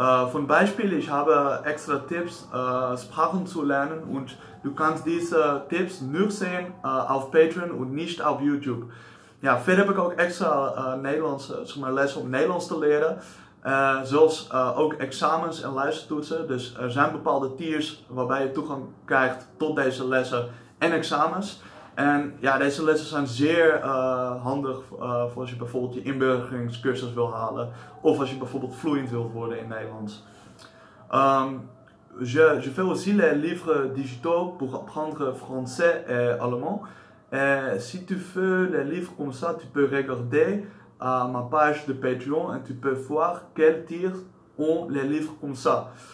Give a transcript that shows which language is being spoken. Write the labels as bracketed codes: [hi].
[de] Von Beispiel, ich habe extra Tipps, Sprachen zu lernen, und du kannst diese Tipps nur sehen auf Patreon und nicht auf YouTube. Ja, vielleicht habe ich auch extra Nederlands, zum Beispiel Les, um Nederlands zu lernen, zoals auch Examens und Leistungstoetsen. [nl] Dus er zijn bepaalde tiers waarbij je toegang krijgt tot deze lessen en examens. En ja, deze lessen zijn zeer handig voor als je bijvoorbeeld je inburgeringscursus wil halen. Of als je bijvoorbeeld vloeiend wilt worden in Nederlands. [fr] Je fais aussi les livres digitaux pour apprendre français et allemand. Si tu veux les livres comme ça, tu peux regarder ma page de Patreon et tu peux voir quel tiers ont les livres comme ça.